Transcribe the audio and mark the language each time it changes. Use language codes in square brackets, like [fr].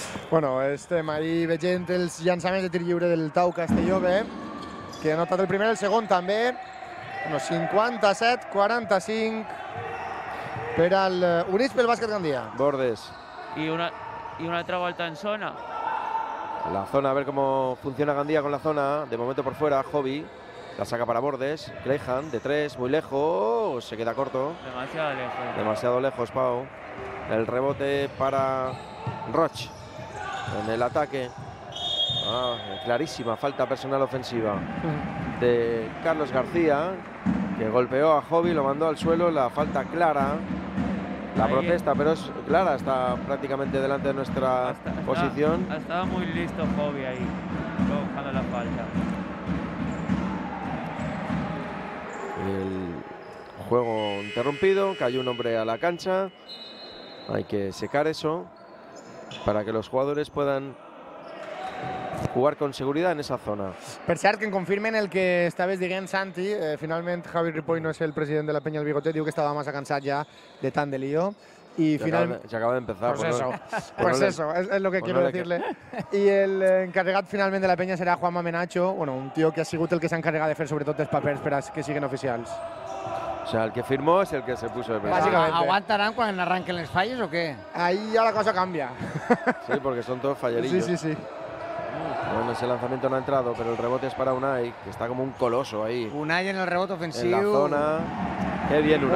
[ca] Bueno, este Marí veient els llançaments de tir lliure del Tau Castellove, que ha anotat el primer, el segon també. Bueno, 57-45 per al Units pel Bàsquet Gandia. Bordes. I una altra volta en zona. [es] La zona, a ver cómo funciona Gandía con la zona. De momento por fuera, Hobby. La saca para Bordes. Kleihan, de tres, muy lejos. Se queda corto. Demasiado lejos. Demasiado lejos, Pau. El rebote para Roch. En el ataque. Ah, clarísima falta personal ofensiva de Carlos García, que golpeó a Hobby, lo mandó al suelo. La falta clara. La protesta, pero es clara, está prácticamente delante de nuestra posición. Estaba muy listo Hobby ahí, buscando la falta. El juego interrumpido, cayó un hombre a la cancha. Hay que secar eso para que los jugadores puedan jugar con seguridad en esa zona. [ca] Per cert, que confirmen el que estaves dient, Santi. Finalment, Javi Ripoll no és el president de la penya del Bigote. Diu que estava massa cansat ja de tant de lío. Ja acaba d'empezar. [es] Pues eso, es lo que quiero decirle. [ca] I el encarregat finalment de la penya serà Juanma Menacho, un tio que ha sigut el que s'ha encarregat de fer sobretot els papers per a que siguin oficials. [es] O sea, el que firmó es el que se puso de presidente. ¿Aguantarán cuando arranquen las fallas o qué? Ahí ya la cosa cambia. Sí, porque son todos fallerillos. Sí, sí, sí. Bueno, ese lanzamiento no ha entrado, pero el rebote es para Unai, que está como un coloso ahí. Unai en el rebote ofensivo. En la zona. Qué bien Unai.